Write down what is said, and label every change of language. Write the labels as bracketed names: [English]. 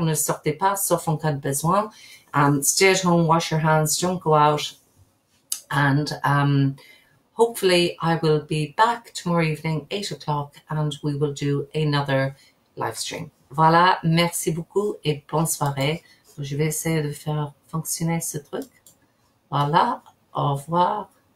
[French] Ne sortez pas, sauf en cas de besoin. [English] Stay at home, wash your hands, don't go out. And hopefully, I will be back tomorrow evening, 8 o'clock, and we will do another live stream. [French] Voilà, merci beaucoup et bonne soirée. Je vais essayer de faire fonctionner ce truc. Voilà, au revoir.